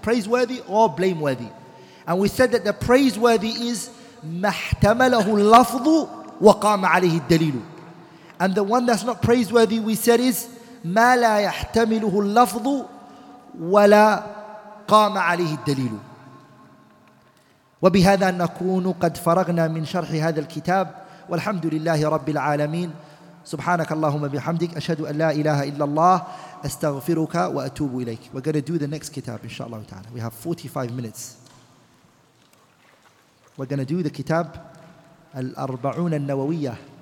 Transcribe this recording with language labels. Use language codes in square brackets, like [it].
[en] Praiseworthy or blameworthy. And we said that the praiseworthy is [ar] مَحْتَمَلَهُ اللَّفْظُ وَقَامَ عَلَيْهِ الدَّلِيلُ. [en] And the one that's not praiseworthy we said is [ar] مَا لَا يَحْتَمِلُهُ اللَّفْظُ ولا قام عليه الدليل. وبهذا نكون قد فرغنا من شرح هذا الكتاب والحمد لله رب العالمين. سبحانك اللهم بحمدك أشهد أن لا إله إلا الله أستغفرك وأتوب إليك. [en] We're gonna do the next kitab [ar] إن شاء الله تعالى. [en] We have 45 minutes. We're gonna do the kitab الأربعون النووية.